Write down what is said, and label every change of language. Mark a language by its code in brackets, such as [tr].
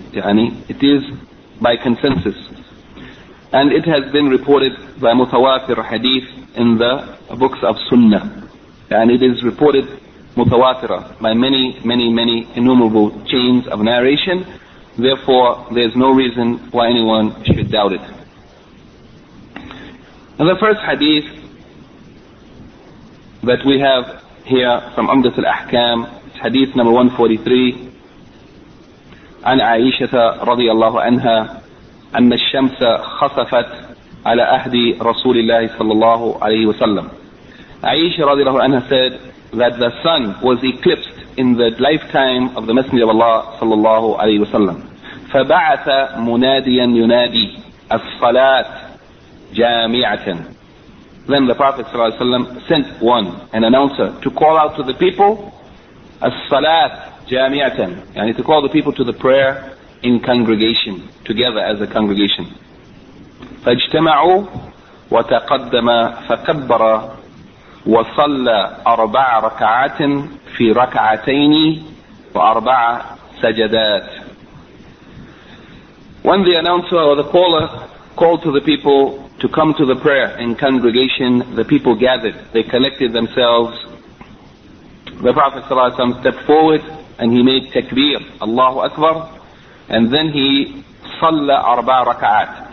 [en] يعني it is by consensus. And it has been reported by mutawatir hadith in the books of Sunnah. And it is reported mutawatira by many, many, many innumerable chains of narration. Therefore, there's no reason why anyone should doubt it. And the first hadith that we have here from Umdat al-Ahkam, hadith number 143, [ar] عن عائشة رضي الله عنها أن الشمس خسفت على أهدي رسول الله صلى الله عليه وسلم. [en] عائشة [ar] رضي الله عنها [en] said that the sun was eclipsed in the lifetime of the Messenger of Allah [ar] صلى الله عليه وسلم. فبعث مناديا ينادي الصلاة جامعة. [en] Then the Prophet [ar] صلى الله عليه وسلم [en] sent one, an announcer, to call out to the people [ar] الصلاة جامعة, [en] يعني to call the people to the prayer in congregation, together as a congregation. [ar] فاجتمعوا وتقدم فكبر وصلى أربع ركعات في ركعتين وأربع سجدات. [en] When the announcer or the caller called to the people to come to the prayer in congregation, the people gathered, they collected themselves. The Prophet ﷺ stepped forward and he made takbir, Allahu Akbar, and then he salla arba raka'at.